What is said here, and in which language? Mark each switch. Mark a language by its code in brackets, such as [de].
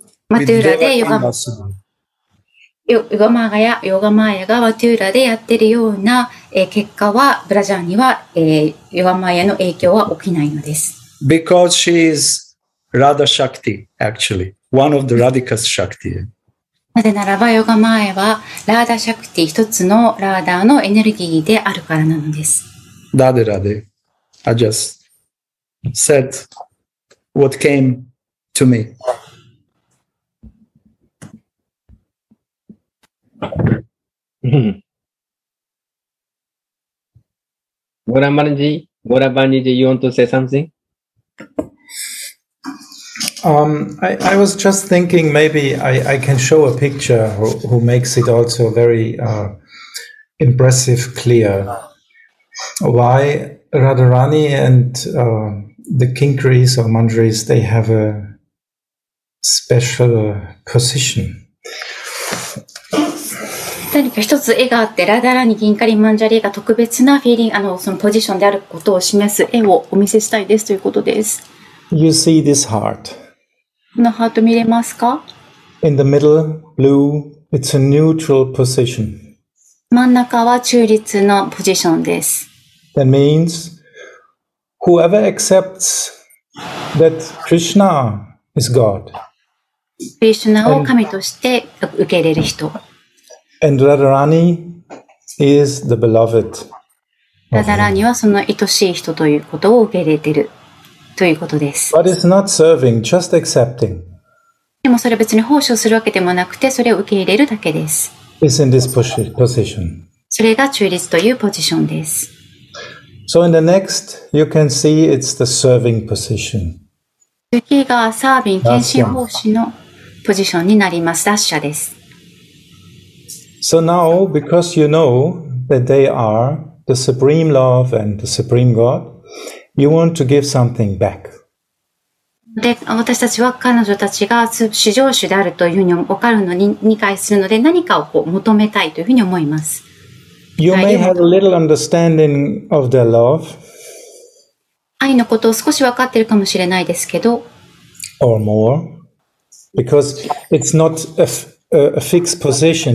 [ja] Mathura でヨガマーヤがヨガマーヤやヨガマーヤがマトゥーラでやってるような、結果はブラジャーには、ヨガマーヤの影響は起きないのです。 [en] Because she is Radha Shakti, actually, one of the Radhika's Shakti. [ja] なぜならばヨガマーヤはラーダシャクティ一つのラーダーのエネルギーであるからなのです。 [en] ダデラデ、I just said what came to me. ゴラマニジ、ゴラバニジ、you want to say something? I was just thinking maybe I can show a picture who makes it also very impressive clear why Radharani and the Kinkris or Manjaris, they have a special position. [ja] 何か一つ絵があって、Radharani、Kinkari、Manjari が特別なフィーリング、そのポジションであることを示す絵をお見せしたいですということです。 [en] You see this heart. [ja] このハート見れますか? [en] In the middle, blue, it's a neutral position. [ja] 真ん中は中立のポジションです。 [en] That means whoever accepts that Krishna is God. [ja] Krishna を神として受け入れる人。 [en] And Radharani is the beloved. [ja] Radharani はその愛しい人ということを受け入れている。ということです。 [en] But it's not serving, just accepting. [ja] でもそれは別に奉仕するわけでもなくて、それを受け入れるだけです。 [en] It's in this position. [ja] それが中立というポジションです。 [en] So in the next, you can see it's the serving position. [ja] 次がサービン、献身奉仕のポジションになります。ダッシャです。 [en] So now, because you know that they are the supreme love and the supreme God,You want to give something back. [ja] で、私たちは彼女たちが至上主であるというふうに分かるのに理解するので、何かをこう求めたいというふうに思います。 [en] You may have a little understanding of their love. [ja] 愛のことを少し分かっているかもしれないですけど。 [en] Or more, because it's not a fixed position.